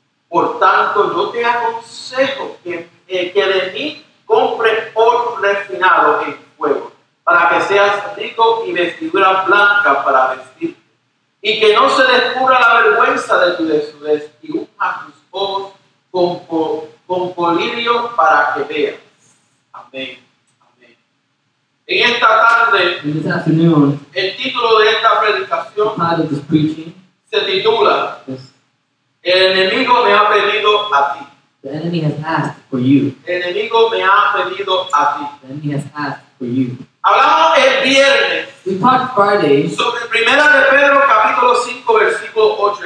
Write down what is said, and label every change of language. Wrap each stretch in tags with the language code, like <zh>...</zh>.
<es>Por tanto, yo te aconsejo que de mí compre oro refinado en fuego, para que seas rico y vestidura blanca para vestirte, y que no se descubra la verüenza de tu desnudez, y unja tus ojos con colirio para que veas. Amén. Amén. En esta tarde, el título de esta predicación se titula El enemigo me ha pedido a ti.</es> <en>The enemy has asked for you.</en> <es>El enemigo me ha pedido a ti.</es> <en>The enemy has asked for you.</en> <es>Hablamos el viernes.</es> <en>We talked Friday.</en> <es>Sobre Primera de Pedro capítulo 5 versículo 8.</es>